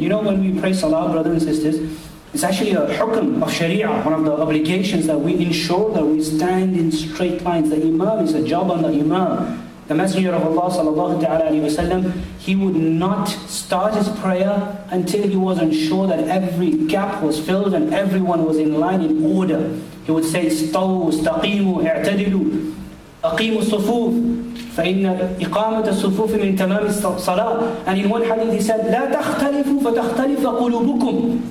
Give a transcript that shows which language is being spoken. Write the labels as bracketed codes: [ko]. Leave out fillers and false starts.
[en] You know, when we pray salah, brothers and sisters, it's actually a hukm of sharia, one of the obligations that we ensure that we stand in straight lines. The imam is a job on the imam. The Messenger of Allah sallallahu alayhi wa sallam, he would not start his prayer until he wasn't sure that every gap was filled and everyone was in line, in order. He would say, [ar] استووا استقيموا اعتدلوا أقيموا الصفوف فإن إقامة الصفوف من تمام الصلاة. [en] And in one hadith he said, [ar] لا تختلفوا فتختلف قلوبكم.